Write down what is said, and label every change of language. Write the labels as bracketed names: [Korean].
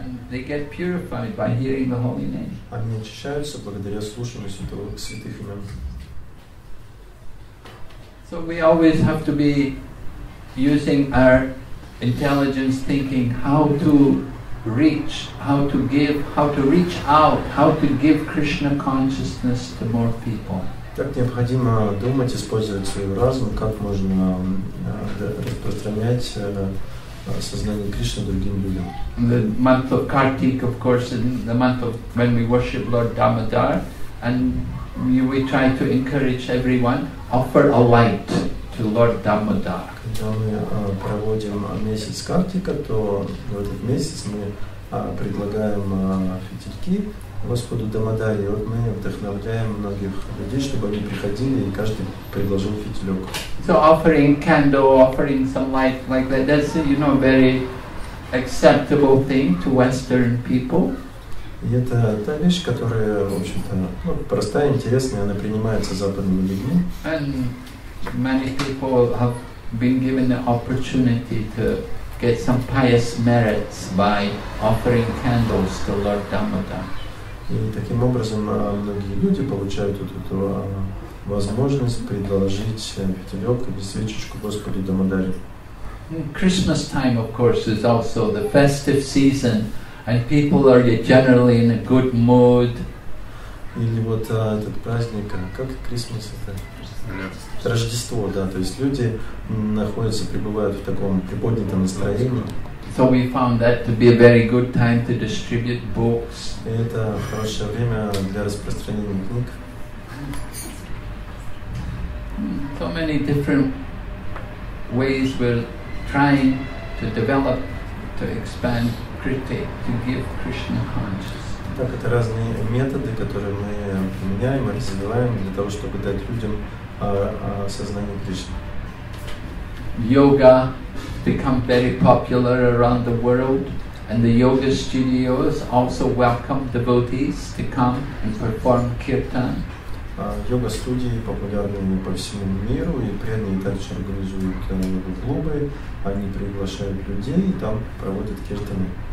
[English] They get purified by hearing the holy name. [Russian] Они очищаются благодаря слушанию святых имен. [English] So we always have to be using our intelligence, thinking how to reach, how to give, how to reach out, how to give Krishna consciousness to more people. [Russian] Так необходимо думать, использовать свой разум, как можно распространять сознание Кришны другим людям. [English] The month of Kartik, of course, in the month of when we worship Lord Damodar, and we try to encourage everyone, offer a light to Lord Damodar. [Russian] Когда мы проводим месяц Картика, то в этот месяц мы предлагаем фитильки Господу Дамодаре, вот мы вдохновляем многих людей, чтобы они приходили и каждый предложил фитилек. [English] So offering candle, offering some light like that, that's, you know, very acceptable thing to Western people. [Russian] И это та вещь, которая, в общем-то, ну, простая, интересная, она принимается западными людьми. [English] And many people have been given the opportunity to get some pious merits by offering candles to Lord Damodar. [Russian] И таким образом многие люди получают эту возможность предложить фитилек или свечечку Господу Дамодаре. [English] Christmas time, of course, is also the festive season, and people are generally in a good mood. [Russian] Или вот этот праздник, как Christmas это? Рождество, да, то есть люди находятся, пребывают в таком приподнятом настроении. [English] So we found that to be a very good time to distribute books. [Russian] Это хорошее время для распространения книг. [English] So many different ways we're trying to develop, to expand, to give Krishna consciousness. [Russian] Так это разные методы, которые мы применяем, развиваем для того, чтобы дать людям сознание Кришны. [English] Йога become very popular around the world, and the yoga studios also welcome devotees to come and perform kirtan. [Russian] Йога студии популярны по всему миру, и преданные также организуют йога-клубы. Они приглашают людей, и там проводят киртаны.